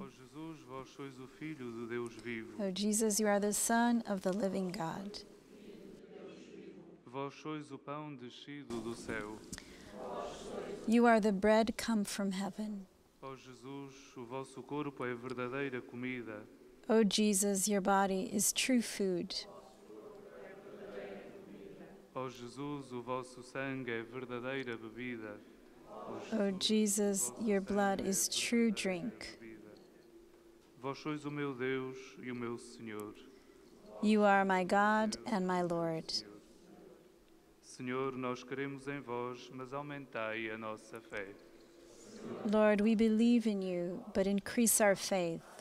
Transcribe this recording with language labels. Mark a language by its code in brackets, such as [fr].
[pt] Oh Jesus, vós sois o Filho do Deus vivo. [en] Oh Jesus, you are the Son of the Living God. [pt] Vós sois o pão descido do céu. [en] You are the bread come from heaven. [pt] Oh Jesus, o vosso corpo é a verdadeira comida. [en] Oh Jesus, your body is true food. [pt] Oh Jesus, o vosso sangue é a verdadeira bebida. [en] Oh Jesus, your blood is true drink. [pt] Vós sois o meu Deus e o meu Senhor. [en] You are my God and my Lord. [pt] Senhor, nós queremos em vós, mas aumentai a nossa fé. [en] Lord, we believe in you, but increase our faith.